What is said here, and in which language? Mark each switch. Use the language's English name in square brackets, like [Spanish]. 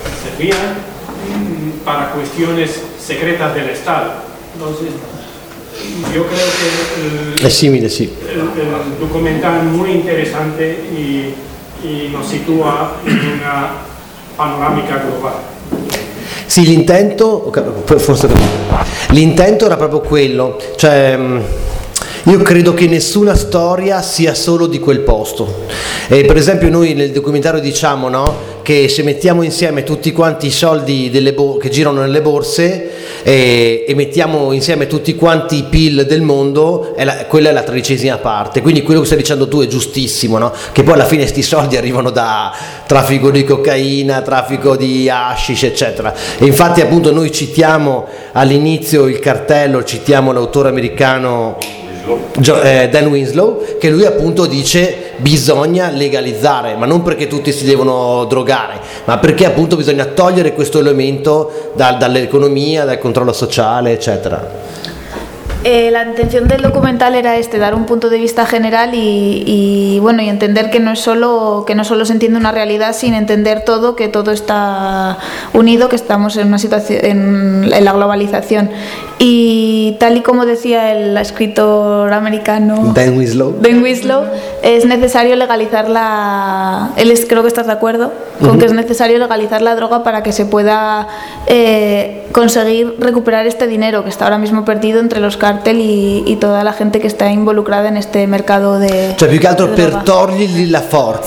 [Spanish] Servían para cuestiones secretas del Estado. Entonces, yo creo que el documental es muy interesante y nos sitúa en una panorámica global. [Italian] Sì, l'intento, forse l'intento era proprio quello, cioè io credo che nessuna storia sia solo di quel posto. E per esempio noi nel documentario diciamo, no, che se mettiamo insieme tutti quanti i soldi che girano nelle borse e mettiamo insieme tutti quanti i PIL del mondo, quella è la tredicesima parte. Quindi quello che stai dicendo tu è giustissimo, no? Che poi alla fine questi soldi arrivano da traffico di cocaina, traffico di hashish, eccetera. E infatti appunto noi citiamo all'inizio il cartello, citiamo l'autore americano Dan Winslow, che lui appunto dice bisogna legalizzare, ma non perché tutti si devono drogare, ma perché appunto bisogna togliere questo elemento dall'economia, dal controllo sociale, eccetera. [Spanish] La intención del documental era este, dar un punto de vista general y bueno, y entender que no solo se entiende una realidad sin entender todo, que todo está unido, que estamos en una situación en la globalización. Y tal y como decía el escritor americano Ben Winslow, es necesario legalizar la... Él es, creo que estás de acuerdo con que es necesario legalizar la droga para que se pueda conseguir recuperar este dinero que está ahora mismo perdido entre los cartel y toda la gente que está involucrada en este mercado de... [Italian] Cioè, più che altro per togliergli la forza.